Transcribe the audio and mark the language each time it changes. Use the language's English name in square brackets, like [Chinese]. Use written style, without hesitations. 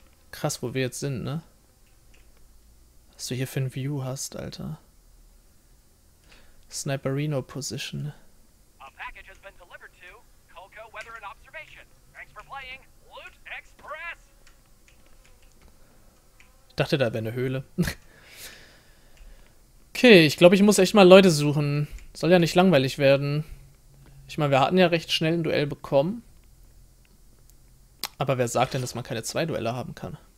[German] Krass, wo wir jetzt sind, ne? Was du hier für ein View hast, Alter. Sniperino Position. [English] A package has been delivered to Colco Weather and Observation. Thanks for playing Loot Express. [German] Ich dachte, da wäre eine Höhle. Okay, ich glaube, ich muss echt mal Leute suchen. Soll ja nicht langweilig werden. Ich meine, wir hatten ja recht schnell ein Duell bekommen. Aber wer sagt denn, dass man keine 2 Duelle haben kann?